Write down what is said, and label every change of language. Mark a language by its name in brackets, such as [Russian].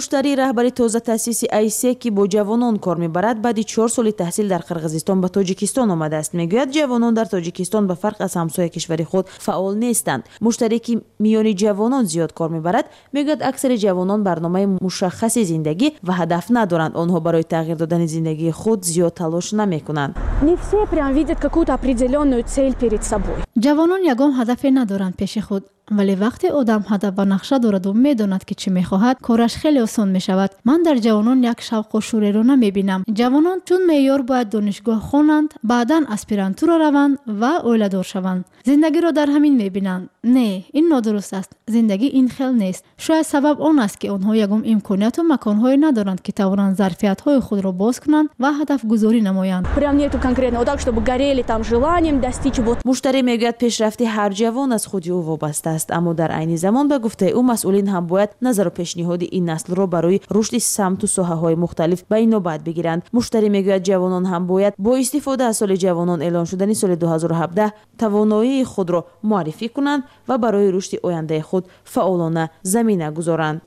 [Persian] مشتری رهبری تازه تاسیس ایسه که با جوانان کار میبرد، بعد 4 سال تحصیل در قرغیزستان به تاجیکستان آمده است، میگوید جوانان در تاجیکستان به فرق از همسایه کشوری خود فعال نیستند. مشتری که میان جوانان زیاد کار میبرد، میگوید اکثر جوانان برنامه مشخص زندگی و هدف ندارند، آنها برای تغییر دادن زندگی خود زیاد تلاش نمیکنند. [Russian] Не все прямо видят какую-то определённую цель перед собой. [Persian] جوانان یگان هدفی ندارند پیش خود، ولی وقتی آدم هدف و نقشه دارد و میداند که چی میخواهد، کارش خیلی آسان میشود. من در جوانان یک شوق و شور را نمیبینم. جوانان چون معیار باید دانشگاه خوانند، بعداً اسپیرانتورا روند و اولادار شوند. زندگی را در همین میبینند. نه، این نادرست است. زندگی این خل نیست. شاید سبب آن است که آنها یگم امکانات و مکانهایی ندارند که توانند ظرفیت های خود را باز کنند و هدف گذاری نمایند. [Russian] Прям нету конкретного так, чтобы горели там желанием достичь вот. [Persian] مشتری میگوید پیشرفت هر جوان از خودی او وابسته است، اما در عین زمان به گفته او مسئولین هم باید نظر و پیشنهاد این نسل را برای رشد سمت و ساحه های مختلف به انابت بگیرند. مشتری میگوید جوانان هم باید با استفاده از سال جوانان اعلان شدن سال 2017 توانایی خود را معرفی کنند و برای رشد آینده خود فعالانه زمینه گذارند.